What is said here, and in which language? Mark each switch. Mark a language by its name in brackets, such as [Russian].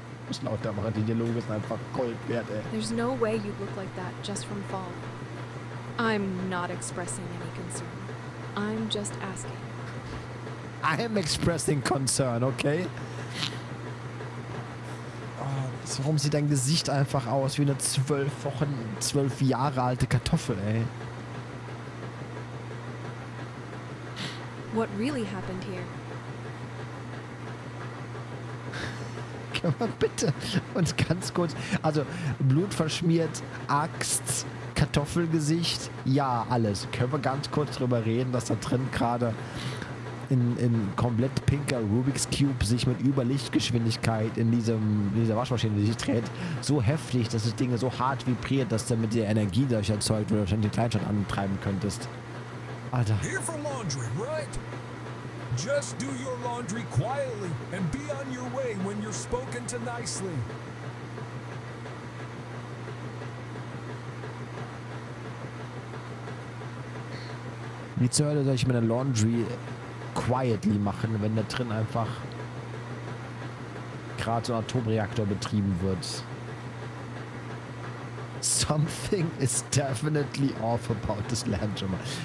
[German] Ich glaube, der macht die Dialoge sind einfach Gold wert, ey. [English] There's no way you look like that just from fall. I'm not expressing any concern. I'm just asking. I am expressing concern, okay? [German] Warum sieht dein Gesicht einfach aus wie eine 12 Jahre alte Kartoffel, ey? [English] What really happened here? [German] Bitte uns ganz kurz. Also, blutverschmiert, Axt, Kartoffelgesicht, ja, alles. Können wir ganz kurz drüber reden, dass da drin gerade in komplett pinker Rubik's Cube sich mit Überlichtgeschwindigkeit in dieser Waschmaschine, die sich dreht, so heftig, dass das Ding so hart vibriert, dass du mit der Energie dadurch erzeugt wird, wahrscheinlich die Kleinstadt antreiben könntest. [English] Alter. Here for laundry, right? Just do your laundry quietly and be on your way when you're spoken to nicely. [German] Wie zur Hölle soll ich meine [English] Laundry quietly [German] machen, wenn da drin einfach gerade so ein Atomreaktor betrieben wird? [English] Something is definitely off about this land, [German] schon mal.